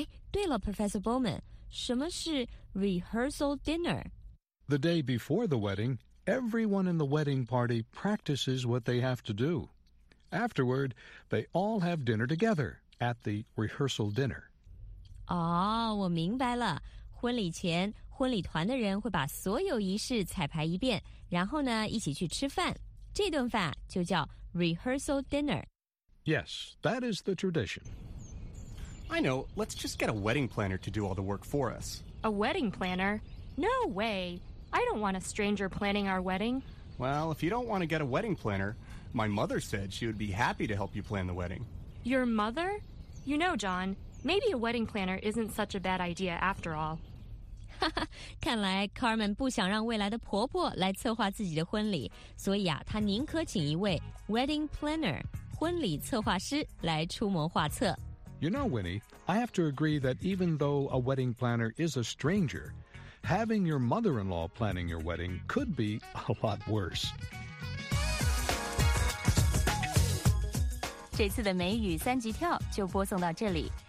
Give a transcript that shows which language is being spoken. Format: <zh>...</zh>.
<zh>对了 Professor Bowman, 什么是 rehearsal dinner?</zh> <en>The day before the wedding... Everyone in the wedding party practices what they have to do. Afterward, they all have dinner together at the rehearsal dinner.</en> <zh>我明白了。婚礼前，婚礼团的人会把所有仪式彩排一遍，然后呢，一起去吃饭。这顿饭就叫 rehearsal dinner.</zh> <en>Yes, that is the tradition. I know. Let's just get a wedding planner to do all the work for us. A wedding planner? No way! I don't want a stranger planning our wedding. Well, if you don't want to get a wedding planner, my mother said she would be happy to help you plan the wedding. Your mother? You know, John, maybe a wedding planner isn't such a bad idea after all.</en> <zh>看来 Carmen 不想让未来的婆婆来策划自己的婚礼，所以她宁可请一位 wedding planner, 婚礼策划师来出谋划策。</zh> <en>You know, Winnie, I have to agree that even though a wedding planner is a stranger... Having your mother-in-law planning your wedding could be a lot worse.</en> <zh>这次的美语三级跳就播送到这里。</zh>